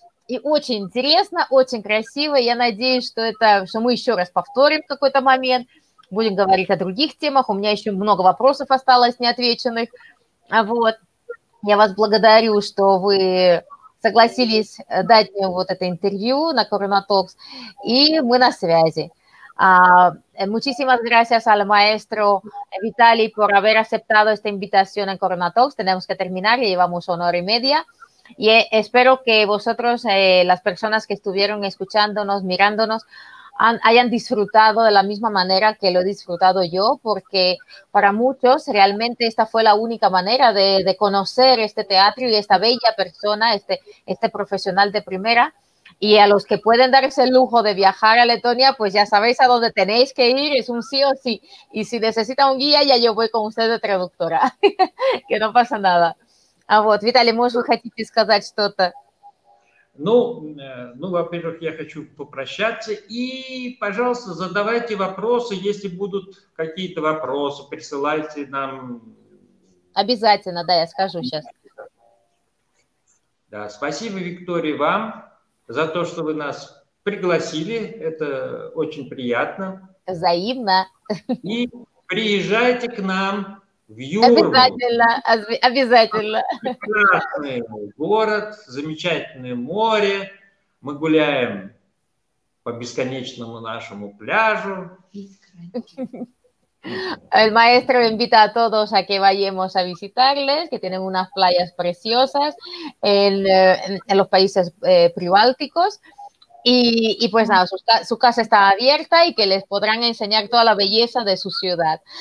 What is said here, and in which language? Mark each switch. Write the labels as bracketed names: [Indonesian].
[Russian] И очень интересно, очень красиво. Я надеюсь, что мы еще раз повторим в какой-то момент. Будем говорить о других темах. У меня еще много вопросов осталось неотвеченных. Вот. Я вас благодарю, что вы согласились дать мне вот это интервью на Corona Talks. И мы на связи. [Spanish] Muchísimas gracias al maestro Vitaly por haber aceptado esta invitación en Corona Talks. Tenemos que terminar, ya llevamos 1:30. Y espero que vosotros, las personas que estuvieron escuchándonos, mirándonos, hayan disfrutado de la misma manera que lo he disfrutado yo, porque para muchos realmente esta fue la única manera de conocer este teatro y esta bella persona, este profesional de primera. Y a los que pueden darse el lujo de viajar a Letonia, pues ya sabéis a dónde tenéis que ir, es un sí o sí. Y si necesita un guía, ya yo voy con usted de traductora, que no pasa nada. [Russian] А вот, Виталий, может, вы хотите сказать что-то? Ну, во-первых, я хочу попрощаться. И, пожалуйста, задавайте вопросы, если будут какие-то вопросы, присылайте нам. Обязательно, да, я скажу сейчас. Да, спасибо, Виктория, вам за то, что вы нас пригласили. Это очень приятно. Взаимно. И приезжайте к нам в Юрму. Обязательно. Прекрасный город, замечательное море. Мы гуляем по бесконечному нашему пляжу. [Spanish] El maestro me invita a todos a que vayamos a visitarles, que tienen unas playas preciosas en los países pribálticos. Y pues nada, su casa está abierta y que les podrán enseñar toda la belleza de su ciudad.